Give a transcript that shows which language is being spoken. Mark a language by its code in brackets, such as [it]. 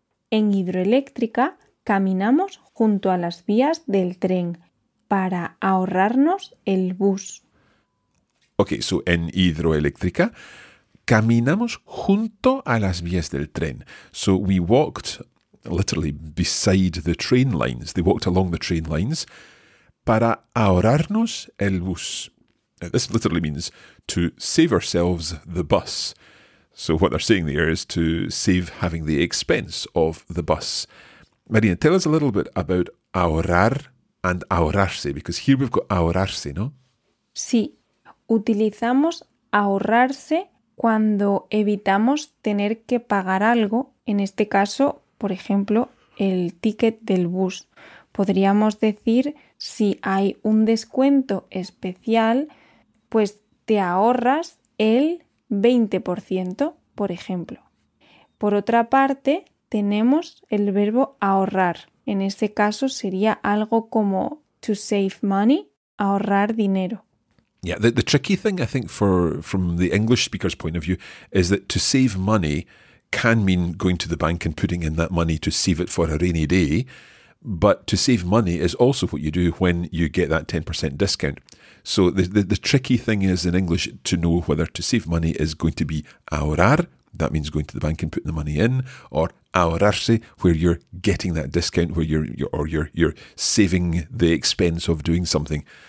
[es] En Hidroeléctrica caminamos junto a las vías del tren para ahorrarnos el bus. [en] Okay, so [es] en Hidroeléctrica caminamos junto a las vías del tren. [en] So we walked literally beside the train lines. They walked along the train lines [es] para ahorrarnos el bus. [en] Now, this literally means to save ourselves the bus. So what they're saying there is to save having the expense of the bus. Marina, tell us a little bit about ahorrar and ahorrarse, because here we've got ahorrarse, ¿no? [es] Sí, utilizamos ahorrarse cuando evitamos tener que pagar algo, en este caso, por ejemplo, el ticket del bus. Podríamos decir, si hay un descuento especial, pues te ahorras el 20%, por ejemplo. Por otra parte, tenemos el verbo ahorrar. En este caso sería algo como [en] to save money, [es] ahorrar dinero. [en] Yeah, the tricky thing, I think, from the English speaker's point of view, is that to save money can mean going to the bank and putting in that money to save it for a rainy day. But to save money is also what you do when you get that 10% discount. So the tricky thing is in English to know whether to save money is going to be ahorrar, that means going to the bank and putting the money in, or ahorrarse, where you're getting that discount, where you're saving the expense of doing something.